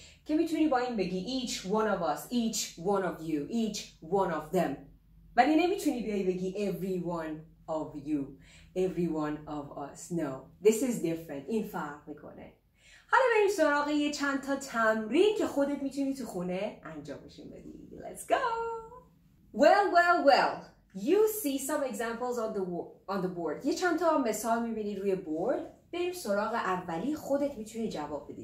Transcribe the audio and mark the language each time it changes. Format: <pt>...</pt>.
<fa>که میتونی با این بگی</fa> <en>each one of us، each one of you، each one of them.</en> <fa>ولی نمیتونی بیای بگی</fa> <en>every one of you، every one of us. No، this is different.</en> <fa>این فرق میکنه. حالا بریم سراغ یه چند تا تمرین که خودت میتونی تو خونه انجامش بدی.</fa> <en>Let's go. Well you see some examples on the board.</en> <fa>یه چند تا مثال میبینی روی بورد. بریم سراغ اولی، خودت میتونی جواب بدی.</fa>